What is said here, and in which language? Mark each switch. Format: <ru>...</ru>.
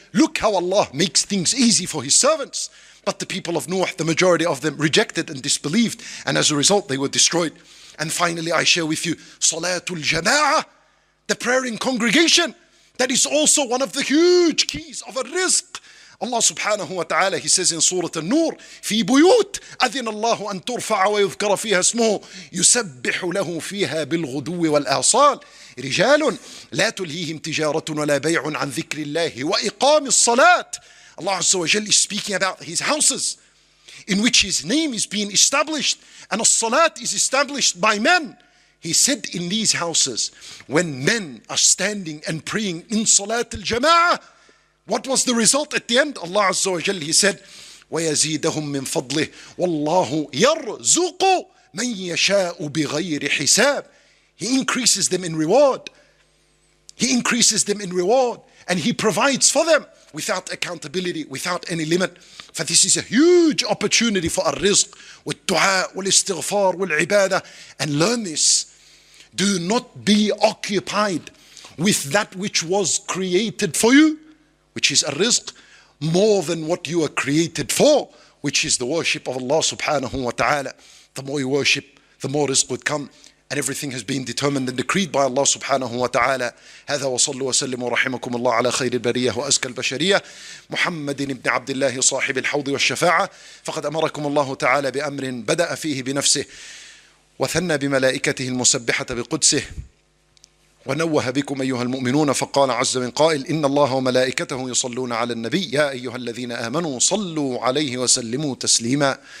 <en>Look how Allah makes things easy for His servants. But the people of Nuh, the majority of them, rejected and disbelieved. And as a result, they were destroyed. And finally, I share with you, Salatul Jama'ah, the prayer in congregation. That is also one of the huge keys of a rizq. Allah subhanahu wa ta'ala, He says in Surah An-Nur,</en> <ar>فِي بُيُوت أَذِنَ اللَّهُ أَن تُرْفَعَ وَيُذْكَرَ فِيهَا اسْمُهُ يُسَبِّحُ لَهُ فِيهَا بِالْغُدُوِّ وَالْآصَالِ رِجَالٌ لَا تُلْهِيهِمْ تِجَارَةٌ وَلَا بَيْعٌ عَن ذِكْرِ اللَّهِ وَإِقَامِ الصَّلَاةِ.</ar> <en>Allah azza wa jal is speaking about His houses in which His name is being established and a salat is established by men. He said in these houses, when men are standing and praying in salat al-jama'ah, what was the result at the end? Allah azza wa jal, He said,</en> <ar>وَيَزِيدَهُمْ مِنْ فَضْلِهِ وَاللَّهُ يَرْزُقُ مَنْ يَشَاءُ بِغَيْرِ حِسَابٍ.</ar> <en>He increases them in reward. He increases them in reward and He provides for them without accountability, without any limit. For this is a huge opportunity for ar-rizq, with dua, with istighfar, with ibadah. And learn this. Do not be occupied with that which was created for you, which is ar-rizq, more than what you are created for, which is the worship of Allah subhanahu wa ta'ala. The more you worship, the more rizq would come. And everything has been determined and decreed by Allah subhanahu wa ta'ala.</en> <ar>هذا وصلوا وسلموا رحمكم الله على خير البرية وأزكى البشرية محمد بن عبد الله صاحب الحوض والشفاعة. فقد أمركم الله تعالى بأمر بدأ فيه بنفسه وثنى بملائكته المسبحة بقدسه ونوه بكم أيها المؤمنون فقال عز من قائل إن الله وملائكته يصلون على النبي يا أيها الذين آمنوا صلوا عليه وسلموا تسليما.</ar>